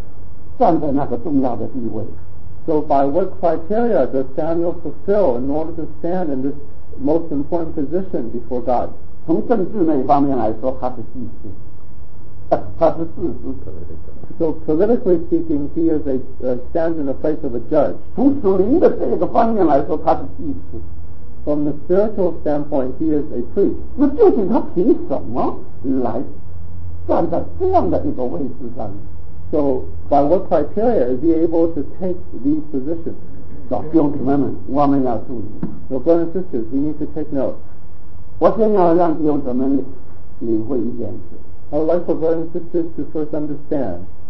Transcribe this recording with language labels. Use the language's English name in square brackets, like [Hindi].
[Chinese] 那既然这样的话，那撒母耳他究竟凭什么，他可以在神这个计划里头站在那个重要的地位？ [English] So by what criteria does Samuel fulfill in order to stand in this most important position before God? [Chinese] 从政治那一方面来说，他是祭司。 [English] So politically speaking, he is a stands in the place of a judge. From the spiritual standpoint, he is a priest. [Chinese] 那究竟他凭什么来站在这样的一个位置上？ [English] So by what criteria is he able to take these positions? [Chinese] 弟兄姊妹们，我们要注意。 [English] So brothers and sisters, we need to take note. [Chinese] 我先要让弟兄姊妹领会一件事。 [English] I would like for brothers and sisters to first understand.